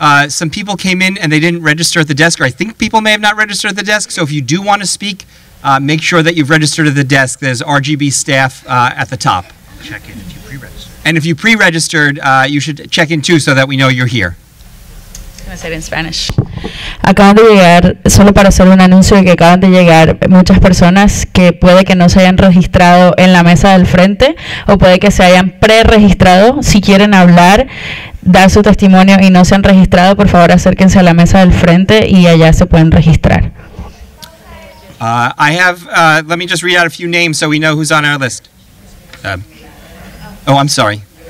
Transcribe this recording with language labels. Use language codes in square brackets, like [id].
[en] Some people came in and they didn't register at the desk, or I think people may have not registered at the desk. So if you do want to speak, make sure that you've registered at the desk. There's RGB staff at the top. Check in if you pre-registered. And if you pre-registered, you should check in too so that we know you're here. I'm going to say it in Spanish. [es] Acaban de llegar, solo para hacer un anuncio de que acaban de llegar muchas personas que puede que no se hayan registrado en la mesa del frente o puede que se hayan pre-registrado. Si quieren hablar, dar su testimonio y no se han registrado, por favor acérquense a la mesa del frente y allá se pueden registrar. [en] Let me just read out a few names so we know who's on our list. I'm sorry.